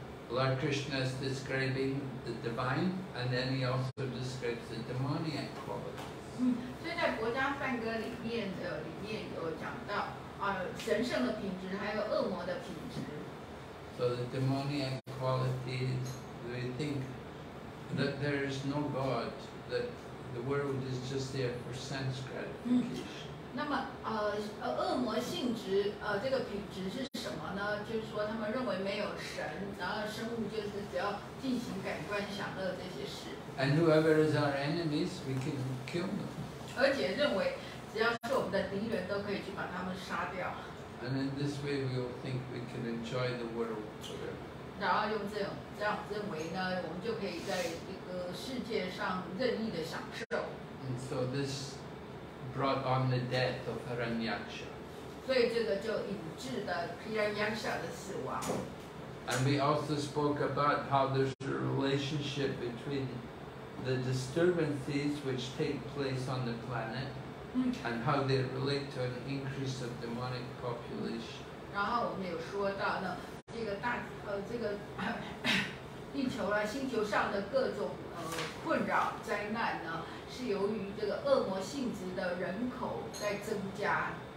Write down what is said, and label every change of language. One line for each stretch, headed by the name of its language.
English: Lord Krishna is describing the divine, and then he also describes the demoniac qualities. So the demoniac qualities, we think that there is no God, that the world is just there for sense gratification.
Chinese: 就是说他们认为没有神，然后生物就是只要进行感官享乐这些事。
English: And whoever is our enemies, we can kill them.
Chinese: 而且认为只要是我们的敌人，都可以去把他们杀掉。
English: And in this way, we all think we can enjoy the world forever.
Chinese: 然后用这样认为呢，我们就可以在这个世界上任意的享受。
English: And so this brought on the death of Hiranyaksha.
Chinese: 所以这个就引致了 Hiranyaksha 的死亡。
English: And we also spoke about how there's a relationship between the disturbances which take place on the planet and how they relate to an increase of demonic population.
Chinese: 然后我们有说到呢，这个大这个地球啊，星球上的各种困扰灾难呢，是由于这个恶魔性质的人口在增加。